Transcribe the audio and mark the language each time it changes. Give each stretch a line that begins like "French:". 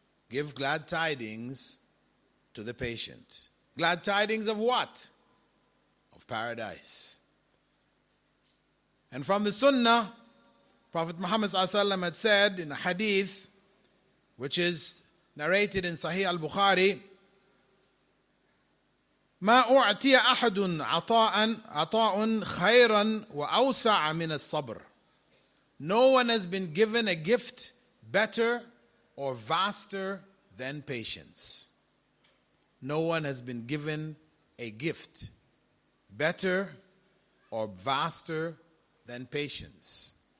English: Give glad tidings to the patient. Glad tidings of what? Of paradise. And from the Sunnah, Prophet Muhammad ﷺ had said in a hadith, which is narrated in Sahih al-Bukhari,
Arabic: ما أعطي أحد عطاء خيرا وأوسع من الصبر.
English: No one has been given a gift better or vaster than patience. No one has been given a gift better or vaster than patience.